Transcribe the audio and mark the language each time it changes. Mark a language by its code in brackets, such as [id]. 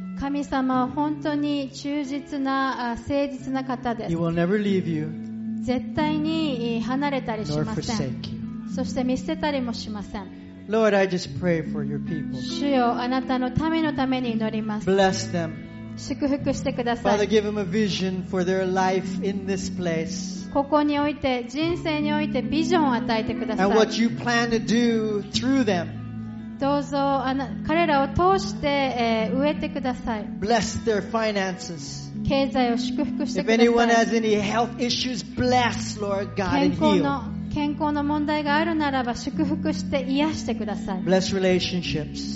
[ja] 神様は本当に忠実な誠実な方です。 [en] He will never leave you, [ja] 絶対に離れたりしません。そして見捨てたりもしません。 [en] Lord, I just pray for your people. [ja] 主よ、あなたのためのために祈ります。 [en] Bless them. [ja] 祝福してください。 [en] Father, give them a vision for their life in this place. [ja] ここにおいて、人生においてビジョンを与えてください。 [en] And what you plan to do through them. [ja] どうぞ彼らを通して植えてください。 [en] Bless their finances. [ja] 経済を祝福してください。 [en] If anyone has any health issues, bless Lord God and heal. [ja] 健康の問題があるならば祝福して癒してください。 [en] Bless relationships.